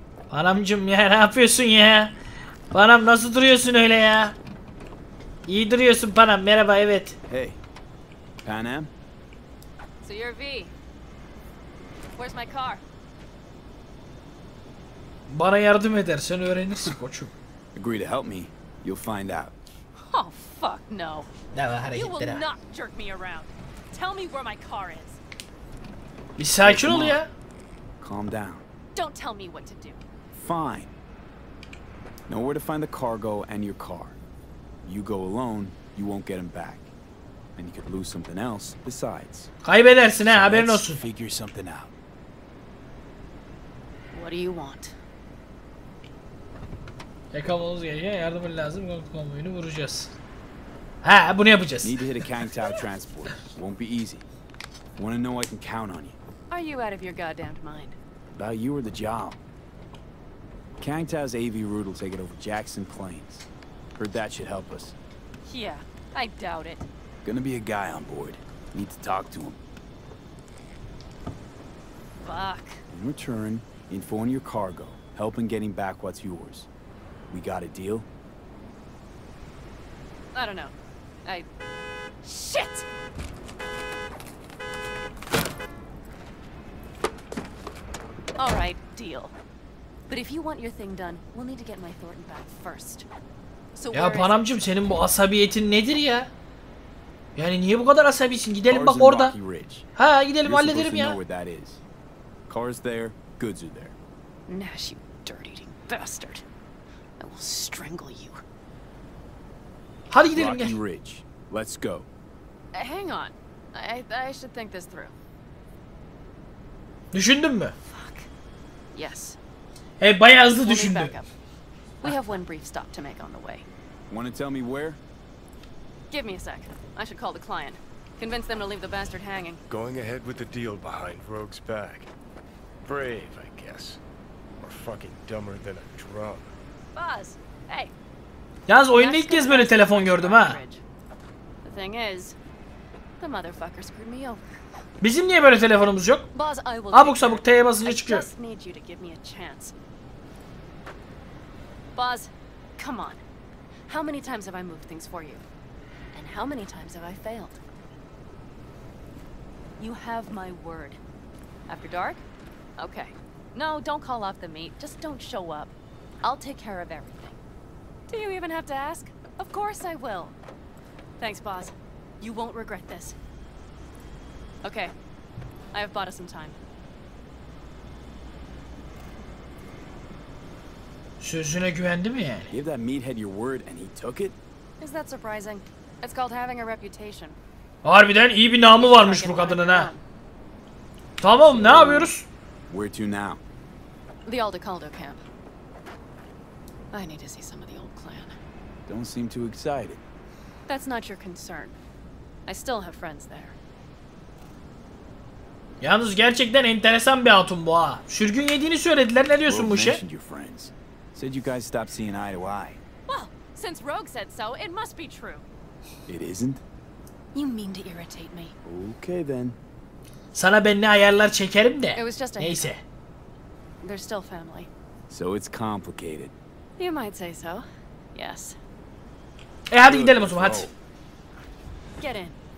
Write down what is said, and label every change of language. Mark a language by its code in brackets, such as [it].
[tr] Panamcım ya, ne yapıyorsun ya? Panam, nasıl duruyorsun öyle ya? İyi duruyorsun Panam, merhaba, evet. [en] Hey. Pan Am. So you're V. Where's my car? [tr] Bana yardım edersen öğrenirsin koçum. [en] Agree to help me, you'll find out. Oh Fuck no. Now, how do you get will not jerk me around. Tell me where my car is. [tr] Bir sakin ol ya. [en] Calm down. Don't tell me what to do. Fine. Know where to find the cargo and your car. You go alone, you won't get him back. And you could lose something else besides. [tr] Kaybedersin ha, haberin olsun. [en] So let's figure something out. What do you want? [tr] Yakalamamız gereken yardımın lazım. Konvoyunu vuracağız. Ha, bunu yapacağız. [en] Need to hit a Kang Tao transport. Won't be easy. Wanna know I can count on you. Are you out of your goddamned mind? About you or the job. Kang Tao's AV route will take it over Jackson Plains. Heard that should help us. Yeah, I doubt it. Gonna be a guy on board. Need to talk to him. Fuck. In return, info on your cargo. Help in getting back what's yours. We got a deal? I don't know. I... Shit! Alright, deal. But if you want your thing done, we'll need to get my Thornton back first. [tr] So ya panamcım, senin bu asabiyetin nedir ya? Yani niye bu kadar asabisin? Gidelim bak orada. Ha, gidelim hallederim ya. [en] Cars there, goods are there. Nash, you dirty bastard. I will strangle you. [tr] Hadi gidelim ya. [en] Rocky Ridge. Let's go. Hang on. I should think this through. [tr] Düşündün mü? [en] Fuck. Yes. [tr] Hey, bayağı hızlı düşündüm. [en] We have one brief stop to make on the way. Want to tell me where? Give me a sec. I should call the client. Convince them to leave the bastard hanging. Going ahead with the deal behind Rogue's back. Brave, I guess. Or fucking dumber than a drum. Buzz. Hey. [tr] Yalnız oyunda ilk kez böyle telefon gördüm ha. [en] The thing is, the motherfucker screwed me over. [tr] Bizim niye böyle telefonumuz yok? [en] Buzz, [tr] abuk sabuk T'ye basınca çıkıyor. [en] I just need you to give me a chance. Buzz, come on. How many times have I moved things for you? And how many times have I failed? You have my word. After dark? Okay. No, don't call off the meet. Just don't show up. I'll take care of everything. Do you even have to ask? Of course I will. Thanks, boss. You won't regret this. Okay. I have bought us some time. [tr] Sözüne güvendi mi yani? [en] Give that meathead your word and he took it? Is that surprising? It's called having a reputation. [tr] Harbiden iyi bir namı varmış bu kadının ha. Tamam, ne yapıyoruz? [en] Where to now? The Aldecaldo camp. I need to see some of the old clan. Don't seem too excited. That's not your concern. I still have friends there. [tr] Yalnız gerçekten enteresan bir hatun bu ha. Sürgün yediğini söylediler, ne diyorsun bu şey? [en] Said you guys stopped seeing eye to eye. Well, since Rogue said so, it must be true. It isn't? You mean to irritate me. Okay then. [tr] Sana ben ne ayarlar çekerim de. [en] It was just a [tr] neyse. [en] They're still family. So it's complicated. You might say so. Yes. [tr] Hadi gidelim o zaman, hadi. [en] Get in.